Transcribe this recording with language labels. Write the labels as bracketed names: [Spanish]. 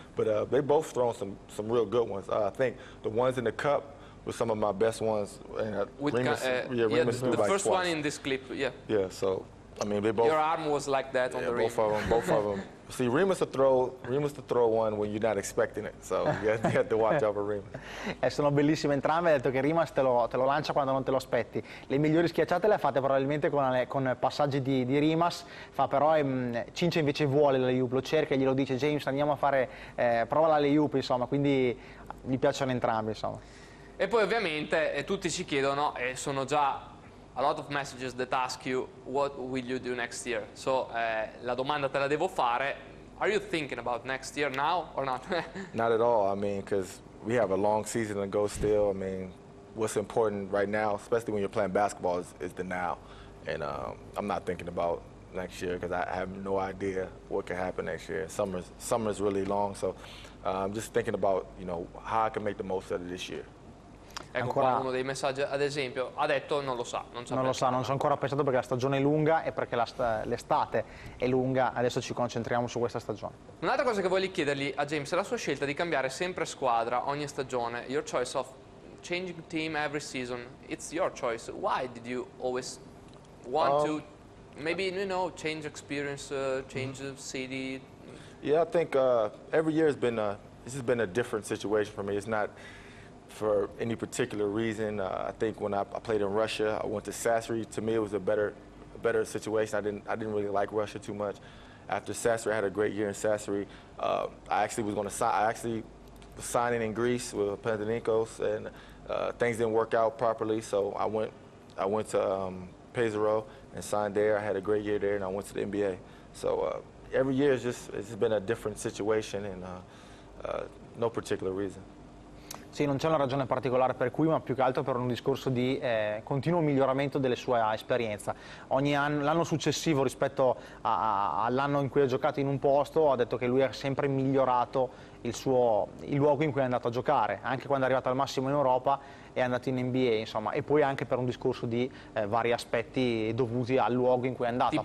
[English] But they both thrown some real good ones. I think the ones in the cup were some of my best ones. The first one in this clip, yeah. Yeah, so, I mean, they both. Your arm was like that on the rim. Both of them. See, Rimas to throw one when you're not expecting it, so you have to watch out for Rimas. [Italian] Sono bellissime entrambe, ha detto che Rimas te lo lancia quando non te lo aspetti. Le migliori schiacciate le ha fatte probabilmente con passaggi di Rimas, fa però Cincia invece vuole l'alley-oop, lo cerca e glielo dice, James, andiamo a fare, prova l'alley-oop, insomma, quindi gli piacciono entrambi, insomma. E poi ovviamente tutti ci chiedono, e sono già... [English] A lot of messages that ask you, what will you do next year? So, [Italian] la domanda te la devo fare. [English] Are you thinking about next year now or not? Not at all. I mean, because we have a long season to go still. I mean, what's important right now, especially when you're playing basketball, is the now. And I'm not thinking about next year because I have no idea what could happen next year. Summer's really long. So, I'm just thinking about, you know, how I can make the most out of this year. [Italian] Ecco ancora... qua uno dei messaggi, ad esempio, ha detto non lo sa. Non lo sa, non ci ho ancora pensato perché la stagione è lunga e perché l'estate è lunga. Adesso ci concentriamo su questa stagione. Un'altra cosa che voglio chiedergli a James è la sua scelta di cambiare sempre squadra ogni stagione. [English] Your choice of changing team every season, it's your choice. Why did you always want to, maybe, you know, change experience, change city? Yeah, I think every year has been this has been a different situation for me. It's not for any particular reason. I think when I played in Russia, I went to Sassari. To me, it was a better situation. I didn't really like Russia too much. After Sassari, I had a great year in Sassari. I was signing in Greece with Panathinaikos, and things didn't work out properly. So I went to Pesaro and signed there. I had a great year there, and I went to the NBA. So. Every year it's been a different situation and no particular reason. [Italian] Sì, non c'è una ragione particolare per cui, ma più che altro per un discorso di continuo miglioramento delle sue esperienze. Ogni anno, l'anno successivo rispetto all'anno in cui ha giocato in un posto, ha detto che lui ha sempre migliorato il luogo in cui è andato a giocare, anche quando è arrivato al massimo in Europa, è andato in NBA, insomma, e poi anche per un discorso di vari aspetti dovuti al luogo in cui è andato.